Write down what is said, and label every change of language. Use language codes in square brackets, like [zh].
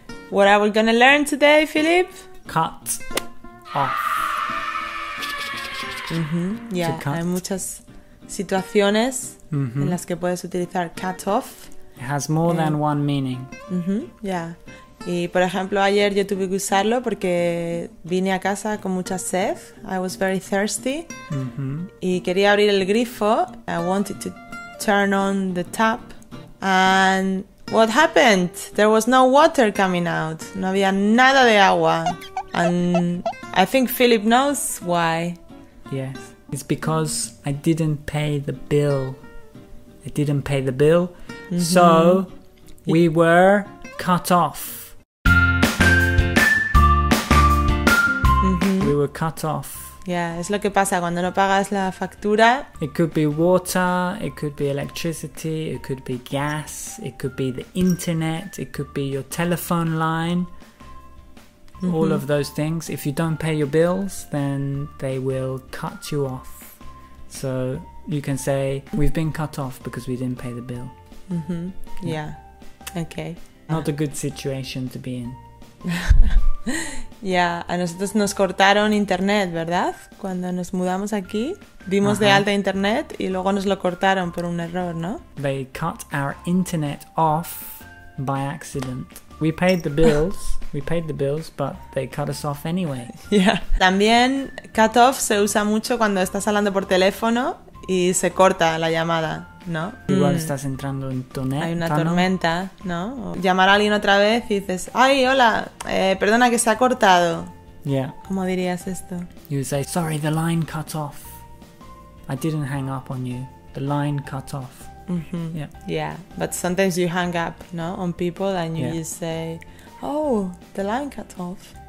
[en] What are we going to learn today, Philip? Cut off. Mm-hmm. [es] Yeah, hay muchas situaciones en las que puedes utilizar cut off. [en] It has more than one meaning. Mm-hmm. [es] Yeah. Y por ejemplo, ayer yo tuve que usarlo porque vine a casa con mucha sed. [en] I was very thirsty. Mm-hmm. [es] Y quería abrir el grifo. [en] I wanted to turn on the tap. And what happened? There was no water coming out. [es] No había nada de agua. [en] And I think Philip knows why. Yes. It's because I didn't pay the bill. I didn't pay the bill. Mm-hmm. So we were cut off. Mm-hmm. We were cut off. [es] Yeah, es lo que pasa cuando no pagas la factura. [en] It could be water, it could be electricity, it could be gas, it could be the internet, it could be your telephone line. Mm-hmm. All of those things. If you don't pay your bills, then they will cut you off. So you can say, we've been cut off because we didn't pay the bill. Mm-hmm. Yeah. Okay. Not a good situation to be in. [es] Yeah, a nosotros nos cortaron internet, ¿verdad? Cuando nos mudamos aquí, dimos de alta internet y luego nos lo cortaron por un error, ¿no? [en] They cut our internet off by accident. We paid the bills, but they cut us off anyway. Yeah. [es] También cut off se usa mucho cuando estás hablando por teléfono y se corta la llamada, ¿no? Igual estás entrando en tunnel. Hay una tormenta, ¿no? O llamar a alguien otra vez y dices, ¡ay, hola! Perdona que se ha cortado. Yeah. ¿Cómo dirías esto? [en] You would say, sorry, the line cut off. I didn't hang up on you. The line cut off. Mm-hmm. Yeah. Yeah, but sometimes you hang up, ¿no? On people and you just say, oh, the line cut off.